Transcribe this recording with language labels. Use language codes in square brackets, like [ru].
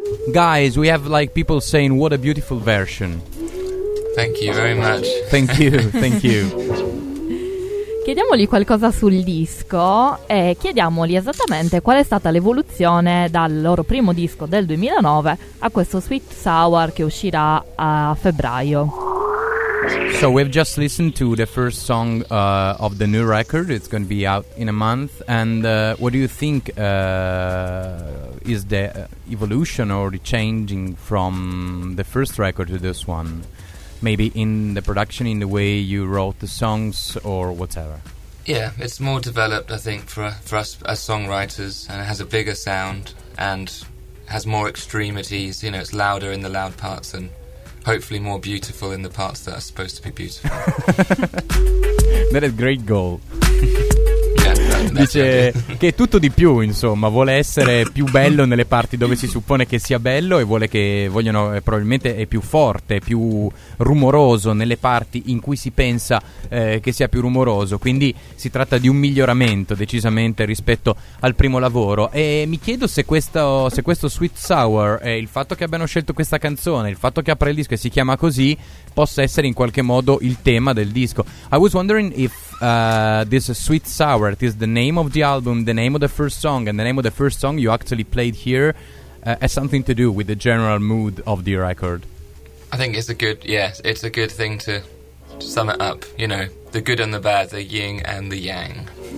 [en] Guys, we have like people saying what a beautiful version. Thank you very much. Thank you, thank you. [it] Chiediamogli qualcosa sul disco e chiediamogli esattamente qual è stata l'evoluzione dal loro primo disco del 2009 a questo Sweet Sour che uscirà a febbraio. [en] So we've just listened to the first song of the new record. It's going to be out in a month. And what do you think is the evolution or the changing from the first record to this one? Maybe in the production, in the way you wrote the songs or whatever. Yeah, it's more developed, I think, for us as songwriters, and it has a bigger sound and has more extremities. You know, it's louder in the loud parts and hopefully more beautiful in the parts that are supposed to be beautiful. That is a great goal. Yeah, [it] dice che è tutto di più, insomma, vuole essere più bello nelle parti dove si suppone che sia bello e vuole che vogliono probabilmente è più forte, più rumoroso nelle parti in cui si pensa che sia più rumoroso, quindi si tratta di un miglioramento decisamente rispetto al primo lavoro. E mi chiedo se questo Sweet Sour, il fatto che abbiano scelto questa canzone, il fatto che apre il disco e si chiama così, possa essere in qualche modo il tema del disco. [en] I was wondering if this Sweet Sour, it is the name of the album, the name of the first song, and the name of the first song you actually played here, has something to do with the general mood of the record. I think it's a good, yes, it's a good thing to sum it up, you know, the good and the bad, the yin and the yang.